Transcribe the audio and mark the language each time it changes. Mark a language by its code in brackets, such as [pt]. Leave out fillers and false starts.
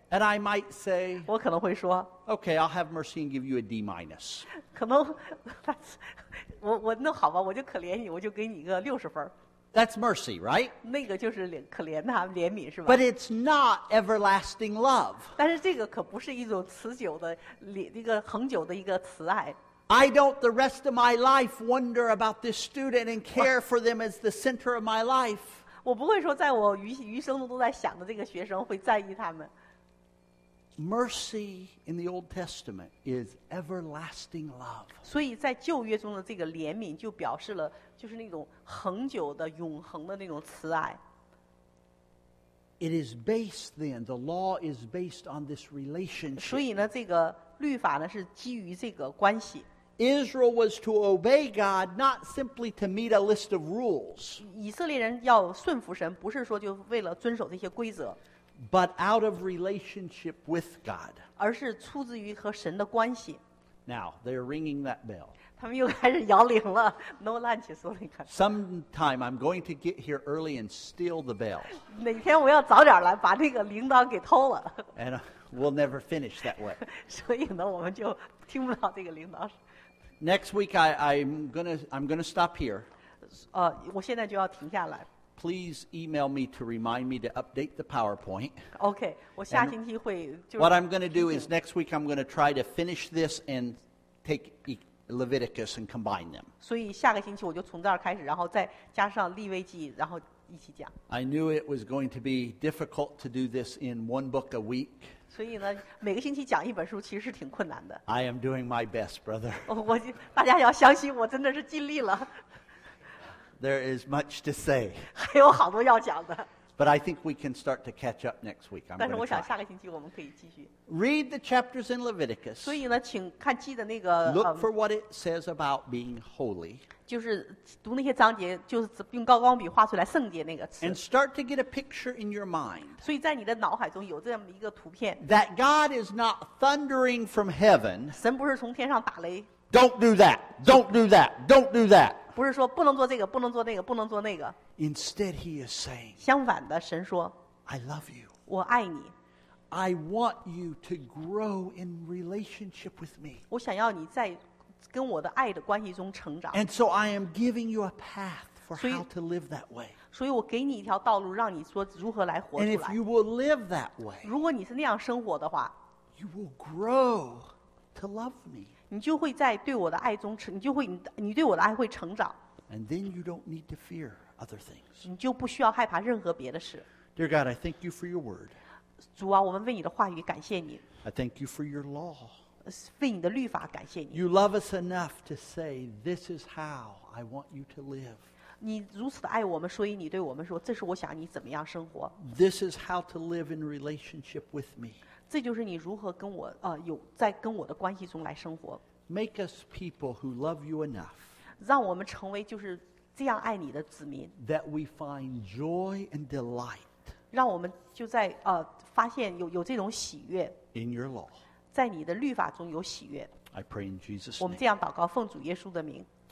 [en] And I might say, [zh] 我可能会说 [en] "Okay, I'll have mercy and give you a D minus." [zh] 可能 [en] that's [zh] 我那好吧，我就可怜你，我就给你一个六十分。 [en] That's mercy, right? [zh] 那个就是可怜他，怜悯是吧 [en] ？But it's not everlasting love. [zh] 但是这个可不是一种持久的、一个恒久的一个慈爱。 [en] I don't the rest of my life wonder about this student and care for them as the center of my life. [zh] 我不会说在我余生都在想的这个学生会在意他们。 [en] Mercy in the Old Testament is everlasting love. [zh] 所以在旧约中的这个怜悯就表示了就是那种恒久的永恒的那种慈爱。 [en] It is based then, the law is based on this relationship. [zh] 所以呢这个律法呢是基于这个关系。 [en] Israel was to obey God not simply to meet a list of rules. [zh] 以色列人要顺服神不是说就为了遵守这些规则。 [en] But out of relationship with God. [zh] 而是出自于和神的关系。 [en] Now, they're ringing that bell. [zh] 他们又开始摇铃了。 [en] No lunch, so they can. Sometime I'm going to get here early and steal the bell. [zh] 哪天我要早点来把那个铃铛给偷了。 [en] And we'll never finish that way. [zh] 所以呢我们就听不到这个铃铛。 [en] Next week I'm gonna stop here. [zh] 我现在就要停下来。 [en] Please email me to remind me to update the PowerPoint. [zh] Okay, 我下星期会就是。 [en] What I'm going to do is next week I'm going to try to finish this and take Leviticus and combine them. [zh] 所以下个星期我就从这儿开始，然后再加上利未记，然后一起讲。 [en] I knew it was going to be difficult to do this in one book a week. [zh] 所以呢，每个星期讲一本书其实是挺困难的。 [en] I am doing my best, brother. [zh] 大家要相信我真的是尽力了。 [en] There is much to say. [zh] 还有好多要讲的。 [en] But I think we can start to catch up next week. [zh] 但是我想下个星期我们可以继续。 [en] Read the chapters in Leviticus. [zh] 所以呢，请看记的那个。 [en] Look for what it says about being holy. [zh] 就是读那些章节，就是用高光笔画出来圣洁那个词。 [en] And start to get a picture in your mind. [zh] 所以在你的脑海中有这么一个图片。 [en] That God is not thundering from heaven. [zh] 神不是从天上打雷。 [en] Don't do that. Don't do that. Don't do that. [zh] 不是说不能做这个，不能做那个，不能做那个。 [en] Instead, he is saying. [zh] 相反的，神说。 [en] I love you. [zh] 我爱你。 [en] I want you to grow in relationship with me. [zh] 我想要你在跟我的爱的关系中成长。 [en] And so I am giving you a path for how to live that way. [zh] 所以我给你一条道路，让你说如何来活出来。 [en] And if you will live that way, [zh] 如果你是那样生活的话 [en] ，you will grow to love me. [zh] 你就会在对我的爱中成，你就会你对我的爱会成长。 [en] And then you don't need to fear other things. [zh] 你就不需要害怕任何别的事。 [en] Dear God, I thank you for your word. [zh] 主啊，我们为你的话语感谢你。 [en] I thank you for your law. [zh] 为你的律法感谢你。 [en] You love us enough to say this is how I want you to live. [zh] 你如此的爱我们，所以你对我们说，这是我想你怎么样生活。 [en] This is how to live in relationship with me. [zh] 这就是你如何跟我有在跟我的关系中来生活。 [en] Make us people who love you enough. [zh] 让我们成为就是这样爱你的子民。 [en] That we find joy and delight. [zh] 让我们就在发现有这种喜悦。 [en] In your law. [zh] 在你的律法中有喜悦。 [en] I pray in Jesus' name. [zh] 我们这样祷告，奉主耶稣的名。